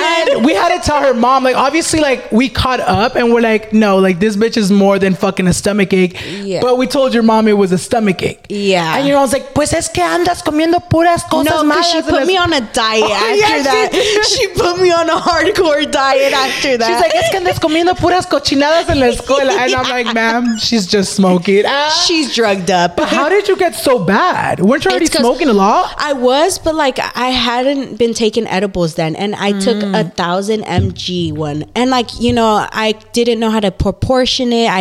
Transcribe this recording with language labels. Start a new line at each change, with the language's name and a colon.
English: And we had to tell her mom, like, obviously, like, we caught up and we're like, no, like, this bitch is more than fucking a stomach ache. Yeah. But we told your mom it was a stomach ache. Yeah. And your mom's like,
Spanish: pues es que andas comiendo puras cosas malas.
English: No, because she put me on a diet after that. She put me on a hardcore diet after that. She's like,
Spanish: es que andas comiendo puras cochinadas en la escuela.
English: And I'm like, ma'am, she's just smoking. She's drugged up. But how did you get so bad? Weren't you already smoking a lot? I was, but like, I hadn't been taking edibles then, and I took 1,000 mg one, and like, you know, I didn't know how to proportion it.